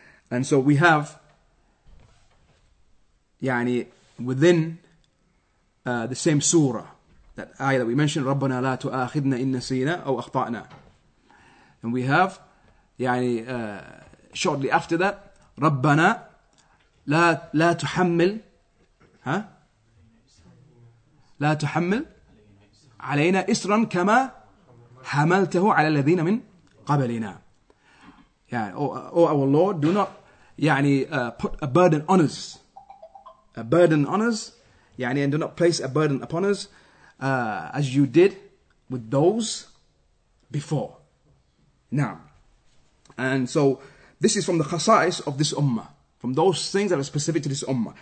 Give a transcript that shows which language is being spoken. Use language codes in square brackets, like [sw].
[en] And so we have يعني within the same surah, that ayah that we mentioned, [ar] رَبَّنَا لَا تُؤَاخِذْنَا إِن نَسِيْنَا أَوْ أَخْطَأْنَا. [en] And we have [ar] يعني [en] shortly after that, [ar] رَبَّنَا لَا تُحَمِّلْ لَا تُحَمِّلْ عَلَيْنَا إِسْرًا كَمَا حَمَلْتَهُ عَلَى الَّذِينَ مِنْ قَبَلِنَا. [en] يعني oh our Lord, do not يعني put a burden on us. A burden on us, يعني, and do not place a burden upon us as you did with those before. Now, and so this is from the khasais of this ummah, from those things that are specific to this ummah.